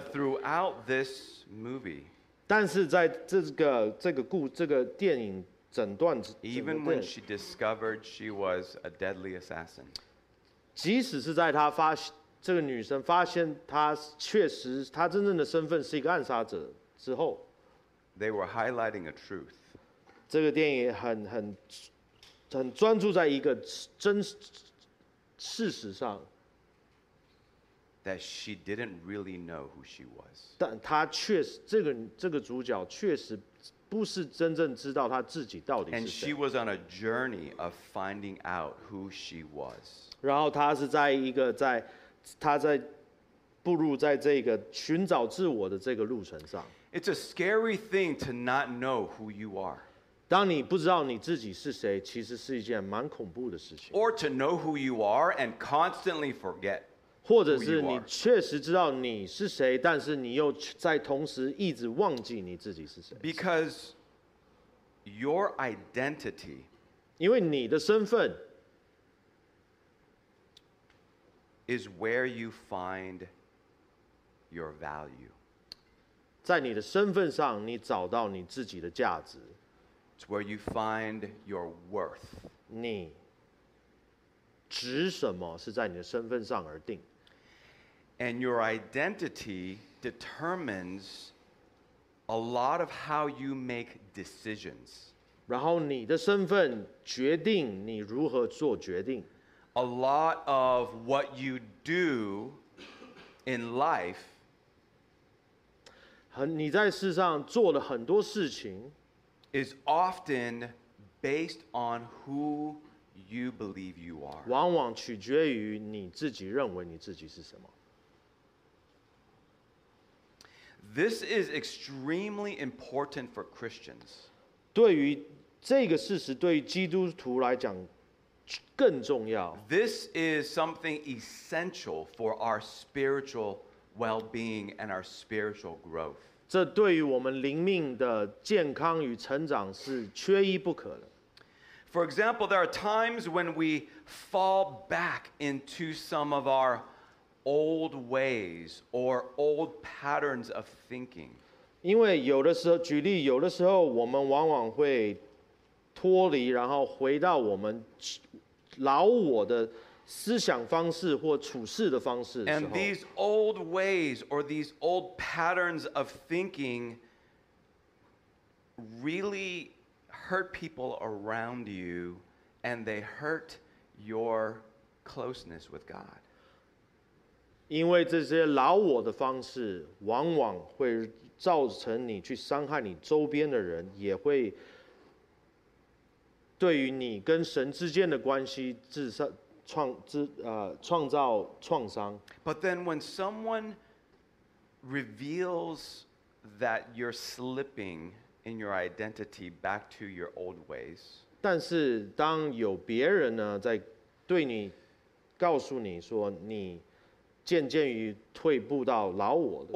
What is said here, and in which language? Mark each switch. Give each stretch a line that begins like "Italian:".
English: But throughout this movie,
Chinese: 但是在这个电影整段
English: ，Even when she discovered she was a deadly assassin.
Chinese: 即使是在她发现这个女生发现她确实她真正的身份是一个暗杀者之后
English: ，They were highlighting a truth。
Chinese: 这个电影很专注在一个真事实上
English: ，That she didn't really know who she was。
Chinese: 但她确实这个主角确实不是真正知道她自己到底是谁。
English: And she was on a journey of finding out who she was。
Chinese: 然后他是在一个在他在步入在这个寻找自我的这个路程上。
English: It's a scary thing to not know who you are.
Chinese: 当你不知道你自己是谁，其实是一件蛮恐怖的事情。
English: Or to know who you are and constantly forget.
Chinese: 或者是你确实知道你是谁，但是你又在同时一直忘记你自己是谁。
English: Because your identity.
Chinese: 因为你的身份。
English: Is where you find your value.
Chinese: 在你的身份上，你找到你自己的价值。
English: It's where you find your worth.
Chinese: 你值什么是在你的身份上而定。
English: And your identity determines a lot of how you make decisions.
Chinese: 然后你的身份决定你如何做决定。
English: A lot of what you do in life,
Chinese: 你在世上做了很多事情
English: is often based on who you believe you are.
Chinese: 往往取决于你自己认为你自己是什么。
English: This is extremely important for Christians.
Chinese: 对于这个事实，对于基督徒来讲。更重要。
English: This is something essential for our spiritual well-being and our spiritual growth.
Chinese: 这对于我们灵命的健康与成长是缺一不可的。
English: For example, there are times when we fall back into some of our old ways or old patterns of thinking.
Chinese: 因为有的时候，举例，有的时候我们往往会脱离，然后回到我们老我的思想方式或处事的方式的时候。
English: And these old ways or these old patterns of thinking really hurt people around you, and they hurt your closeness with God.
Chinese: 因为这些老我的方式往往会造成你去伤害你周边的人，也会对于你跟神之间的关系创造创伤。
English: But then when someone reveals that you're slipping in your identity back to your old ways,
Chinese: 但是当有别人呢在对你告诉你说你渐渐于退步到老我的时